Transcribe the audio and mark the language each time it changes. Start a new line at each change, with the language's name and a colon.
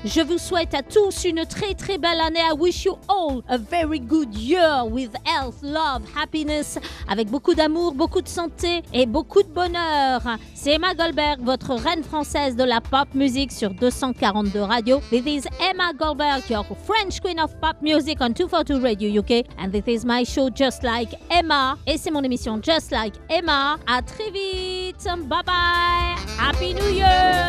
French: Je vous souhaite à tous une très très belle année.
English: I wish you all a very good year with health, love, happiness,
French: avec beaucoup d'amour, beaucoup de santé et beaucoup de bonheur. C'est Emma Goldberg, votre reine française de la pop music sur 242 Radio.
English: This is Emma Goldberg, your French queen of pop music on 242 Radio UK. And this is my show Just Like Emma.
French: Et c'est mon émission Just Like Emma. À très vite.
English: Bye bye. Happy New Year.